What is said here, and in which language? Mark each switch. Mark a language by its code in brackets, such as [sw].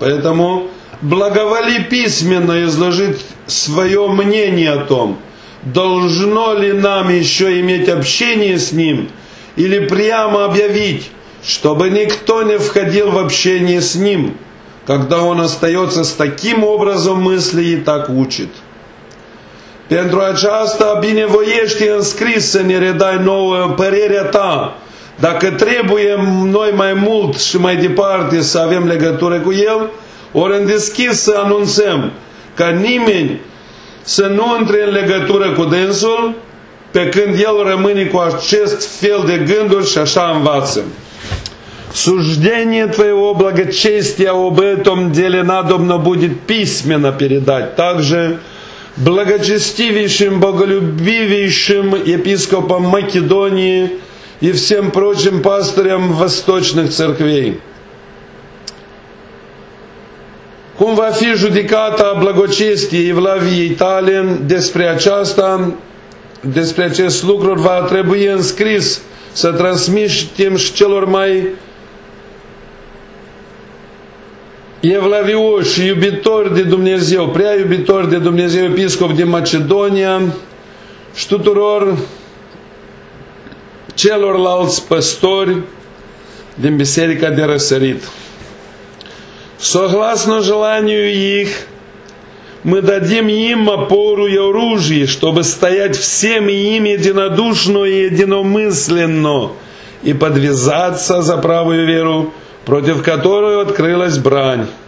[ru] Поэтому благоволи письменно изложить свое мнение о том, должно ли нам еще иметь общение с Ним, или прямо объявить, чтобы никто не входил в общение с Ним, когда Он остается с таким образом мысли и так учит. [ro] Pentru aceasta binevoiește în scris să ne redai nouă părerea ta, dacă trebuie noi mai mult și mai departe să avem legătură cu El, ori în deschis să anunțăm ca nimeni să nu intre în legătură cu dânsul, pe când el rămâne cu acest fel de gânduri și așa învață. [ru] Суждение твое о благочестии об этом деле надобно будет письменно передать. Также благочестивейшим, боголюбивейшим епископам Македонии и всем прочим пастырям восточных церквей. [ro] Cum va fi judecata blagocestiei Evlaviei tale despre aceasta, despre acest lucru, va trebui înscris să transmitem și celor mai evlavioși și iubitori de Dumnezeu, prea iubitori de Dumnezeu, episcop din Macedonia și tuturor celorlalți păstori din Biserica de Răsărit. [ru] Согласно желанию их, мы дадим им опору и оружие, чтобы стоять всем им единодушно и единомысленно и подвязаться за правую веру, против которой открылась брань.